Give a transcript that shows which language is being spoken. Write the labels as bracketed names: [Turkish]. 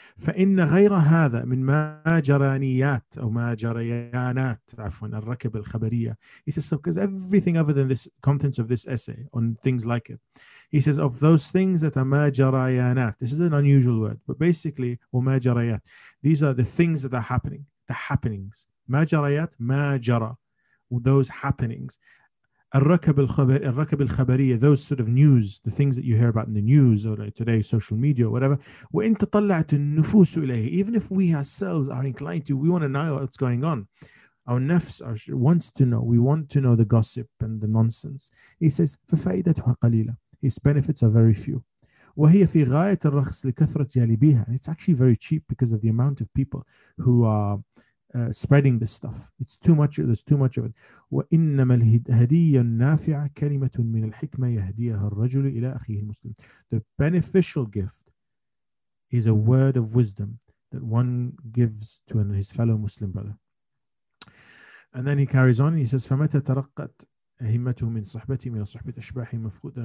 [Arabic] فَإِنَّ غَيْرَ هَذَا مِنْ مَا جَرَانِيَاتِ أَوْ مَا جَرَيَانَاتِ عَفْوًا الرَّكَبِ الْخَبَرِيَّةِ. [English] He says, so because everything other than this contents of this essay on things like it, he says, of those things that are [Arabic] مَا جَرَيَانَاتِ. [English] This is an unusual word, but basically, [Arabic] وَمَا جَرَيَاتِ. [English] These are the things that are happening, the happenings. [Arabic] مَا جَرَيَاتِ, مَا جَرَى, [English] those happenings. [Arabic] الركب الخبرية, [English] those sort of news, the things that you hear about in the news or like today, social media or whatever. [Arabic] وإن تطلعت النفوس إليه, [English] even if we ourselves are inclined to, we want to know what's going on. Our nafs wants to know. We want to know the gossip and the nonsense. He says, [Arabic] ففائدتها قليلة. [English] His benefits are very few. [Arabic] وهي في غاية الرخص لكثرة جالبيها. [English] And it's actually very cheap because of the amount of people who are spreading this stuff. It's too much. There's too much of it. [Arabic] وإنما الهدية النافعة كلمة من الحكمة يهديها الرجل إلى أخيه المسلم. [English] The beneficial gift is a word of wisdom that one gives to his fellow Muslim brother. And then he carries on. He says, [Arabic] فمتى ترقت همته من صحبته من صحبة أشباحه مفقودة.